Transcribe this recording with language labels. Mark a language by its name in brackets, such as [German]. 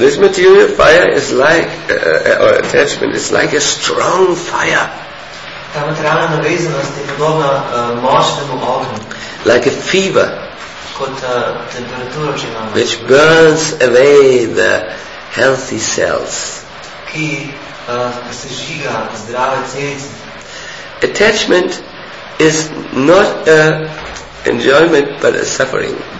[English] This material fire is like, or attachment, is like a strong fire. [Slovenian] Ta materialna navezanost je podobna močnemu ognju. [English] Like a fever. [Slovenian] Kot temperatura, če imamo. [English] Which burns away the healthy cells. [Slovenian] Ki se žiga zdrave celice. [English] Attachment is not a enjoyment but a suffering.